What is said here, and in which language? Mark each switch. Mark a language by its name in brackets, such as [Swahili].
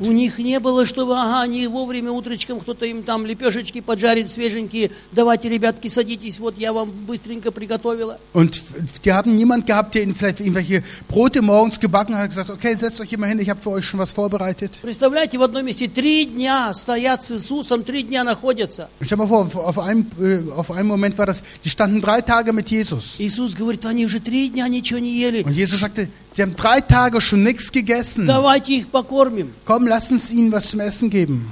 [Russian] У них не было, чтобы, они вовремя утречком кто-то им там лепешечки поджарит свеженькие. Давайте, ребятки, садитесь, вот я вам быстренько приготовила. [German] Und die haben niemand gehabt, der ihnen vielleicht irgendwelche Brote morgens gebacken hat, gesagt, okay, setzt euch immer hin, ich habe für euch schon was vorbereitet. [Russian] Представляете, в одном месте три дня стоят с Иисусом, три дня находятся. [German] Stell dir mal vor, auf einem Moment war das, die standen drei Tage mit Jesus. [Russian] Иисус говорит, они уже три дня ничего не ели. [German] Und Jesus sagte, sie haben drei Tage schon nichts gegessen. [Russian] Давайте их покормим. [German] Komm, lass uns ihnen was zum Essen geben.